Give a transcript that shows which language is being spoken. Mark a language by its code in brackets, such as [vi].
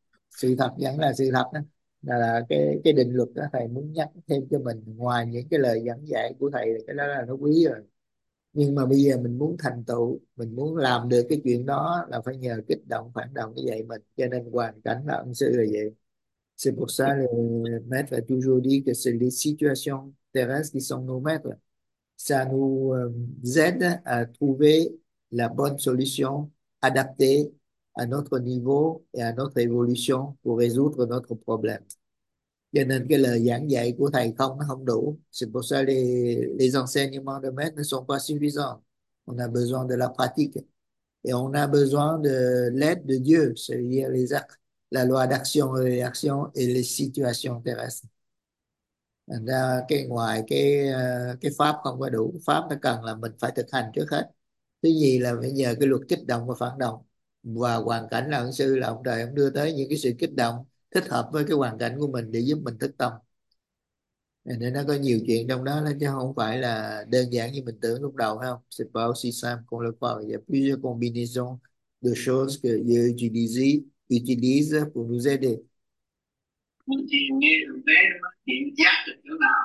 [vi] Sự thật vẫn là sự thật đó. Là cái định luật đó thầy muốn nhắc thêm cho mình, ngoài những cái lời giảng dạy của thầy, cái đó là nó quý rồi, nhưng mà bây giờ mình muốn thành tựu, mình muốn làm được cái chuyện đó là phải nhờ kích động phản động như vậy mình, cho nên hoàn cảnh là ân sư là vậy. [fr] C'est pour ça le maître a toujours dit que c'est les situations terrestres qui sont nos maîtres. Ça nous aide à trouver la bonne solution adaptée à notre niveau et à notre évolution pour résoudre notre problème. [vi] Cho nên cái lời giảng dạy của thầy không, nó không đủ. [fr] C'est pour ça les enseignements de maître ne sont pas suffisants. On a besoin de la pratique et on a besoin de l'aide de Dieu, c'est-à-dire les actes, la loi d'action et réaction et les situations terrestres. [vi] Cái ngoài cái pháp không có đủ, pháp nó cần là mình phải thực hành trước hết. Thứ gì là phải nhờ cái luật kích động và phản động. Và hoàn cảnh là ẩn sư, là ông trời ông đưa tới những cái sự kích động thích hợp với cái hoàn cảnh của mình để giúp mình thức tâm. Nên nó có nhiều chuyện trong đó lên, chứ không phải là đơn giản như mình tưởng lúc đầu, phải không? [fr] C'est pas aussi simple qu'on le croit. Il y a plusieurs combinaisons de choses que j'ai utilisées utilise pour vous aider. Continuez vers l'indirectionnel.